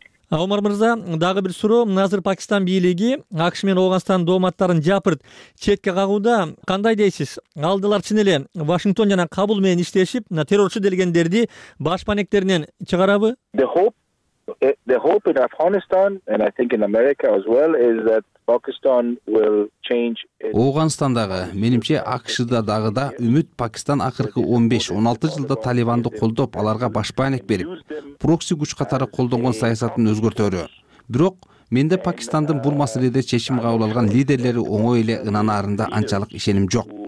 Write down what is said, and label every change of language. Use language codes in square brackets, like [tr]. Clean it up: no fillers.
[ky] Аумар Мырза, дагы бир суроо. Азыр Пакистан бийлиги АКШ менен Ооганстандын дооматтарын жапырып четке кагууда. Кандай дейсиз? Алдылар чын эле Вашингтон жана Кабул менен иштешип, террорчу делгендерди башпанектеринен чыгарабы? [en] The hope in Afghanistan and I think in America as well is that Pakistan will change. [ky] Ооганстандагы, менимче АКШда дагы да үмүт Пакистан акыркы 15-16 жылда Талибанды колдоп, аларга башпанек берип, прокси күч катары колдонгон саясатын өзгөртөрү. Бирок менде Пакистандын бул маселеде чечим кабыл алган лидерлери оңой эле ынанаарында анчалык ишеним жок.